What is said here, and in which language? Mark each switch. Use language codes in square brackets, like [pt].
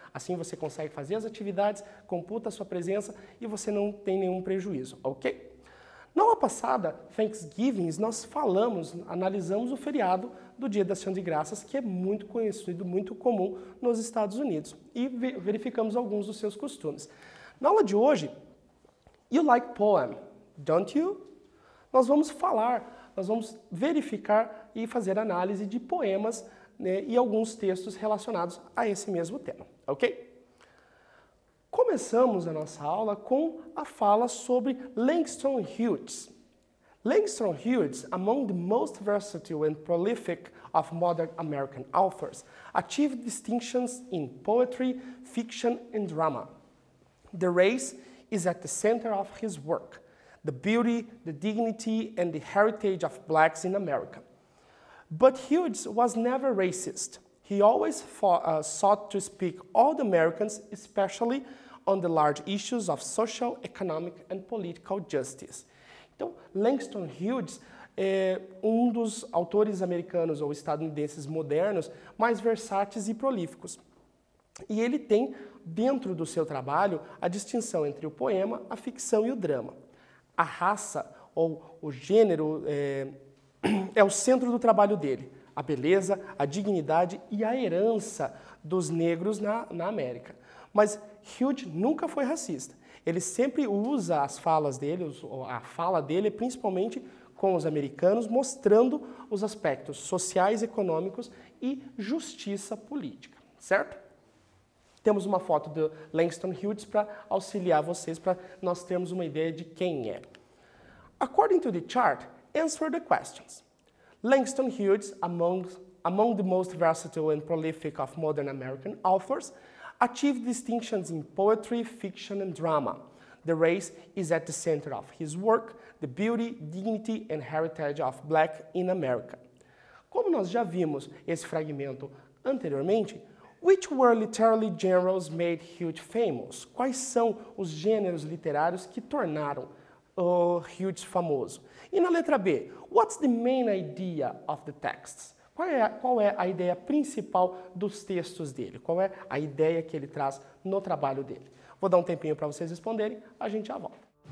[pt] Assim você consegue fazer as atividades, computa a sua presença e você não tem nenhum prejuízo, ok? Na aula passada, Thanksgiving, nós falamos, analisamos o feriado do Dia da Ação de Graças, que é muito conhecido, muito comum nos Estados Unidos. E verificamos alguns dos seus costumes. Na aula de hoje, [en] you like poem, don't you? [pt] Nós vamos falar, nós vamos verificar e fazer análise de poemas, né, e alguns textos relacionados a esse mesmo tema, ok? Começamos a nossa aula com a fala sobre Langston Hughes. [en] Langston Hughes, among the most versatile and prolific of modern American authors, achieved distinctions in poetry, fiction, and drama. The race is at the center of his work, the beauty, the dignity, and the heritage of blacks in America. But Hughes was never racist. He always sought to speak all the Americans, especially on the large issues of social, economic, and political justice. [pt] Então, Langston Hughes é um dos autores americanos ou estadunidenses modernos mais versáteis e prolíficos. E ele tem, dentro do seu trabalho, a distinção entre o poema, a ficção e o drama. A raça, ou o gênero, é o centro do trabalho dele. A beleza, a dignidade e a herança dos negros na América. Mas Hughes nunca foi racista. Ele sempre usa as falas dele, a fala dele, principalmente com os americanos, mostrando os aspectos sociais, econômicos e justiça política, certo? Temos uma foto do Langston Hughes para auxiliar vocês, para nós termos uma ideia de quem é. [en] According to the chart, answer the questions. Langston Hughes, among the most versatile and prolific of modern American authors, achieved distinctions in poetry, fiction, and drama. The race is at the center of his work, the beauty, dignity, and heritage of black in America. [pt] Como nós já vimos esse fragmento anteriormente, [en] which were literary genres made Hughes famous? [pt] Quais são os gêneros literários que tornaram Hughes famoso? E na letra B, [en] what's the main idea of the texts? [pt] Qual é a ideia principal dos textos dele? Qual é a ideia que ele traz no trabalho dele? Vou dar um tempinho para vocês responderem, a gente já volta.